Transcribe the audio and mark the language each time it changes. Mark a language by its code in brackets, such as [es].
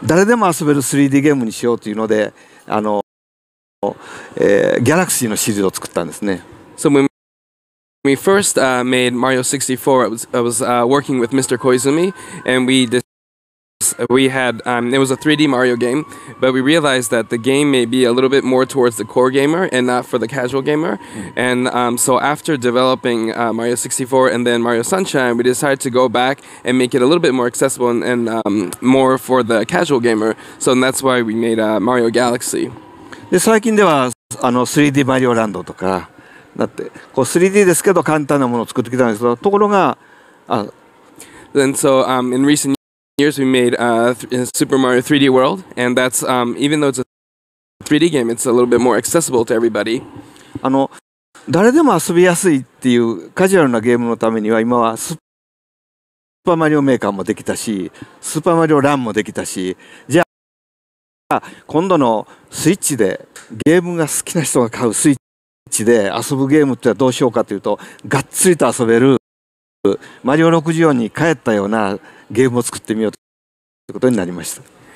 [ja] で、特にあの僕らが考えるのはスーパーマリオ64の時に小泉さんと作って、ああやっぱりこうコアな人は面白いけど、カジュアルな人には難しいゲームになったねっていうので、それでこうサンシャインを作った後ぐらいにもう一度誰でも遊べる 3D ゲームにしようというので、ギャラクシーのシリーズを作ったんですね。 [en] So when we first made Mario 64, I was working with Mr. Koizumi, and it was a 3D Mario game, but we realized that the game may be a little bit more towards the core gamer and not for the casual gamer. Mm-hmm. And so after developing Mario 64 and then Mario Sunshine, we decided to go back and make it a little bit more accessible and more for the casual gamer. So that's why we made Mario Galaxy. [ja] で、最近では、あの 3D マリオランドとか、だって、こう 3D ですけど簡単なものを作ってきたんですけど、ところが、あ、 [en] And so, in recent years we made Super Mario 3D World, and that's, even though it's a 3D game, it's a little bit more accessible to everybody. [ja] あの、誰でも遊びやすいっていうカジュアルなゲームのためには、今はスーパーマリオメーカーもできたし、スーパーマリオランもできたし、じゃあ、今度のスイッチでゲームが好きな人が買うスイッチで遊ぶゲームってどうしようかというとがっつりと遊べるマリオ64に帰ったようなゲームを作ってみようということになりました。